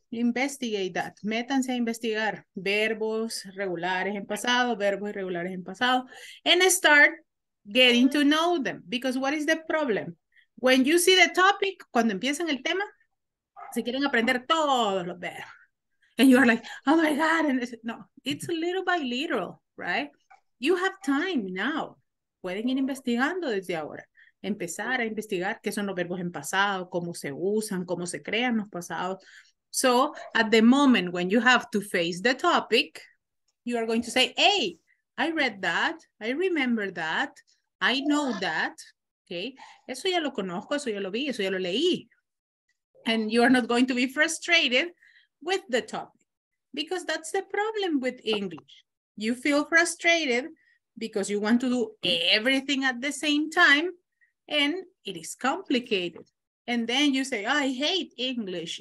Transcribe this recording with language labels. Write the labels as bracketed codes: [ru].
[en] Investigate that. [es] Métanse a investigar verbos regulares en pasado, verbos irregulares en pasado, [en] and start getting to know them. Because what is the problem? When you see the topic, [es] cuando empiezan el tema, se quieren aprender todos los verbos. [en] And you are like, oh my God. And it's, no, it's little by little, right? You have time now. [es] Pueden ir investigando desde ahora. Empezar a investigar qué son los verbos en pasado, cómo se usan, cómo se crean los pasados. [en] So, at the moment when you have to face the topic, you are going to say, hey, I read that, I remember that, I know that, okay? [es] Eso ya lo conozco, eso ya lo vi, eso ya lo leí. [en] And you are not going to be frustrated with the topic because that's the problem with English. You feel frustrated because you want to do everything at the same time, and it is complicated. And then you say, oh, I hate English.